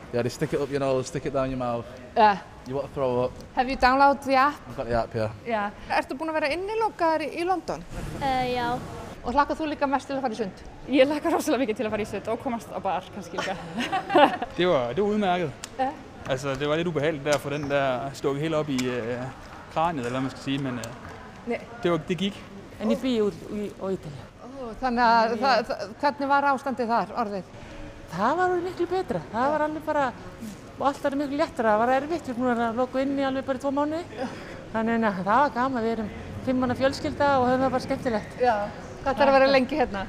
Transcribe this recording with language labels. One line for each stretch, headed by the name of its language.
English: Yeah, they stick it up your nose, stick it down your mouth. Yeah. You want to throw up. Have you downloaded the app? I've got the app, yeah. Yeah.
Icelandic: Ertu búin að vera innilokaður í London? Já. Og hlakkar þú líka mest til að fara í sund? Ég hlakkar rosalega mikið til að fara í sund og komast á bar, kannski líka.
Danish: Det var udmærket. Altså, det var lidt ubehageligt der at få den der stukket helt op i kraniet, eller hvad man skal sige, men det gik. En ny bil ude i Italien.
Icelandic: Þannig að hvernig var ástandið þar orðið? Það var orðið miklu betra. Það var alveg bara, allt var miklu léttara. Það var erfitt, við erum að loka inn í alveg bara í 2 mánuði. Þannig að það var gaman, við erum 5 manna fjölskylda og höfum það bara skemmtilegt. Já, hvað þarf að vera lengi hérna?